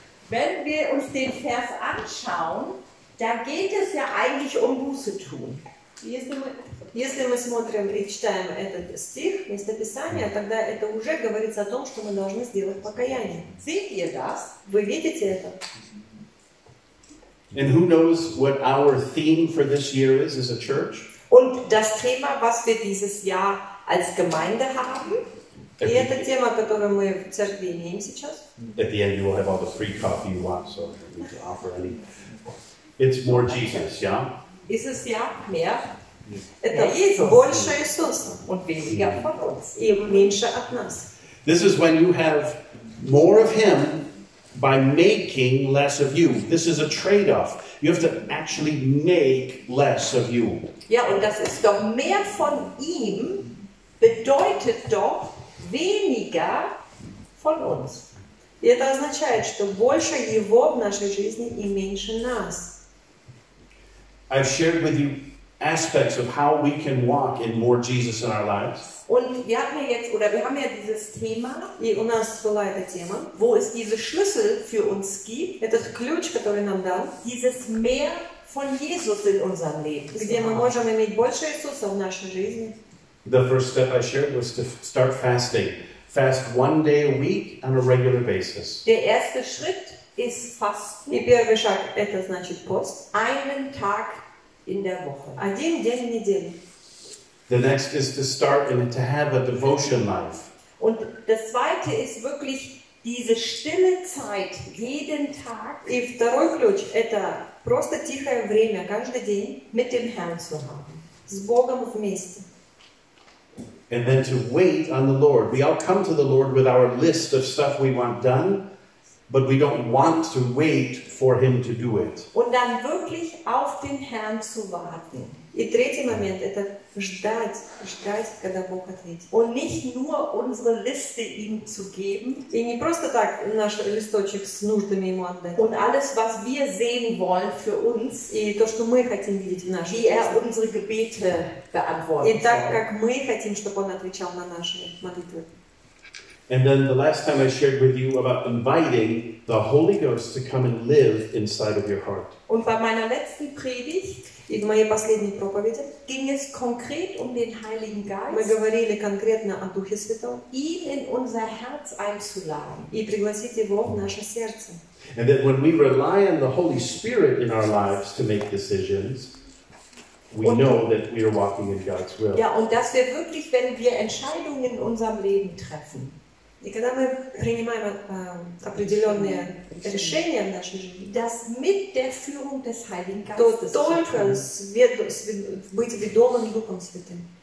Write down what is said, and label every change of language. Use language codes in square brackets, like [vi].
[de] Wenn wir uns den Vers anschauen, da geht es ja eigentlich um Buße tun. [ru] Если мы смотрим и читаем этот стих, местописание, тогда это уже говорится о том, что мы должны сделать покаяние. [de] Seht ihr das? [ru] Вы видите это? [en] And who knows what our theme for this year is as a church? [de] Und das Thema, was wir dieses Jahr als Gemeinde haben? [ru] И это тема, которую мы в церкви имеем сейчас. [en] At the end you will have all the free coffee you want, so if you need to offer any. It's more Jesus, yeah? [de] Ist es ja mehr? [ru] Это Jesus. Больше Иисуса. [de] Und weniger von uns. [ru] И меньше от нас. [en] This is when you have more of him by making less of you. This is a trade-off. You have to actually make less of you. [de] Ja, und das ist doch mehr von ihm bedeutet doch weniger von uns. [ru] И это означает, что больше его в нашей жизни и меньше нас. [en] I've shared with you aspects of how we can walk in more Jesus in our lives. [de] Und wir haben ja jetzt, oder wir haben ja dieses Thema, [ru] и у нас была эта тема, [de] wo es diese Schlüssel für uns gibt, [ru] этот ключ, который нам дал, [de] dieses mehr von Jesus in unserem Leben. [ru] Где мы можем иметь больше Иисуса в нашей жизни. [en] The first step I shared was to start fasting. Fast one day a week on a regular basis. [de] Der erste Schritt ist Fasten. Wie wir gesagt, [ru] это значит пост. [de] Einen Tag in der Woche. [ru] Один день в неделю. [en] The next is to start and to have a devotion life. [de] Und das zweite ist wirklich diese stille Zeit jeden Tag. [ru] И второй ключ, это просто тихое время каждый день [de] mit dem Herrn zu haben. [ru] С Богом вместе. [en] And then to wait on the Lord. We all come to the Lord with our list of stuff we want done, but we don't want to wait for him to do it. [de] Und dann wirklich auf den Herrn zu warten. Der dritte Moment, [ru] это ждать, когда Бог ответит. [de] Und nicht nur unsere Liste ihm zu geben. [ru] И не просто так наш листочек с нуждами ему отдать. [de] Und alles, was wir sehen wollen für uns. [ru] И то, что мы хотим видеть в нашей жизни. [de] Wie er unsere Gebete beantwortet. [ru] И так, как мы хотим, чтобы он отвечал на наши молитвы. [en] And then the last time I shared with you about inviting the Holy Ghost to come and live inside of your heart. [de] Und bei meiner letzten Predigt, in meiner [ru] последней проповеди, [de] ging es konkret den Heiligen Geist. [ru] Мы говорили конкретно о Духе Святом. [de] Ihn in unser Herz einzuladen. [ru] И пригласить его в наше сердце. [en] And then when we rely on the Holy Spirit in our lives to make decisions, we know that we are walking in God's will. [de] Ja, und dass wir wirklich, wenn wir Entscheidungen in unserem Leben treffen, [ru] и когда мы принимаем определенные решения в нашей жизни, [de] das mit der Führung des Heiligen Geistes, [ru] то только быть ведомым Духом Святым.